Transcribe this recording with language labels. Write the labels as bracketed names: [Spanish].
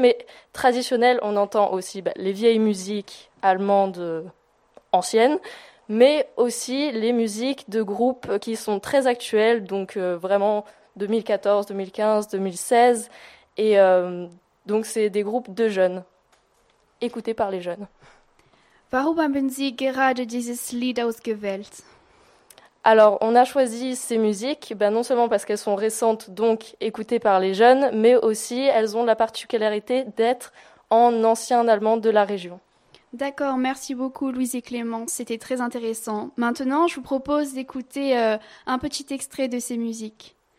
[French] Mais traditionnelles, on entend aussi les vieilles musiques allemandes anciennes, mais aussi les musiques de groupes qui sont très actuelles, donc vraiment 2014, 2015, 2016. Et donc, c'est des groupes de jeunes, écoutés par les jeunes. [German] Warum haben Sie gerade dieses Lied ausgewählt? [French] Alors, on a choisi ces musiques, non seulement parce qu'elles sont récentes, donc écoutées par les jeunes, mais aussi elles ont la particularité d'être en ancien allemand de la région. D'accord, merci beaucoup Louise et Clément, c'était très intéressant. Maintenant, je vous propose d'écouter un petit extrait de ces musiques.